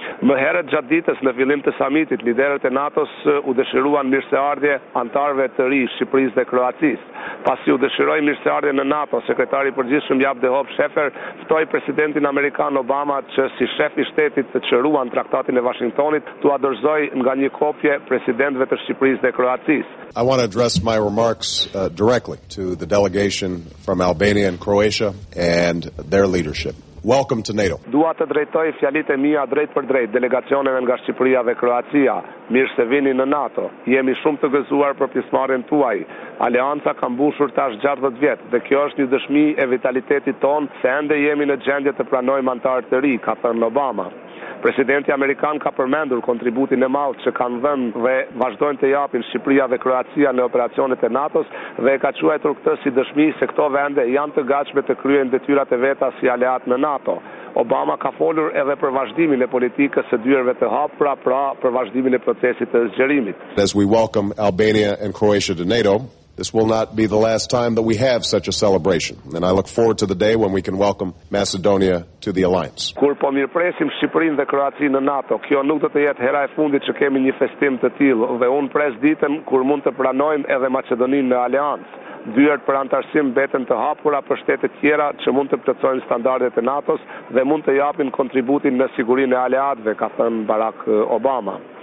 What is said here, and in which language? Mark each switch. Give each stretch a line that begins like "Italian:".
Albanian: Më herët gjatë ditës në fillim të samitit, liderët e NATO-s u dëshiruan mirëseardhje anëtarëve të ri Shqipërisë dhe Kroacisë. Pasi u dëshiroi mirëseardhje në NATO, sekretari i përgjithshëm Jaap de Hoop Scheffer ftoi presidentin amerikan Obama që si shef i shtetit të çëruan traktatin e Washingtonit, t'u dorëzoi nga një kopje presidentëve të Shqipërisë dhe Kroacisë.
English: I want to address my remarks directly to the delegation from Albania and Croatia and their leadership. Welcome to NATO.
Albanian: Dua të drejtoj fjalitë mia drejt për drejt delegacioneve nga Shqipëria dhe Kroacia. Mirë se vini në NATO. Jemi shumë të gëzuar për pjesëmarrjen tuaj. Alianca ka mbushur tash 60 vjet dhe kjo është një dëshmi e vitalitetit ton se ende jemi në gjendje të pranojmë anëtarë të ri, ka thënë Obama. Presidenti Amerikan ka përmendur kontributin e madh që kanë dhënë dhe vazhdojnë të japin Shqipëria dhe Kroacia në operacionet e NATO-s dhe ka quajtur këtë si dëshmi se këto vende janë të gatshme të kryejnë detyrat e veta si aleat në NATO. Obama ka folur edhe për vazhdimin e politikës së dyerve të hapura, pra për vazhdimin e procesit të zgjerimit.
English: As we welcome Albania and Croatia to NATO, this will not be the last time that we have such a celebration, and I look forward to the day when we can welcome Macedonia to the alliance.
Albanian: Kur po mirëpresim Shqipërinë dhe Kroacinë në NATO, kjo nuk do të jetë hera e fundit që kemi një festim të tillë, dhe unë pres ditën kur mund të pranojmë edhe Maqedoninë në aleancë. Dyert për antarësim mbeten të hapura për shtete tjera që mund të plotësojnë standardet e NATO-s dhe mund të japin kontributin në sigurinë e aleatëve, ka thënë Barack Obama.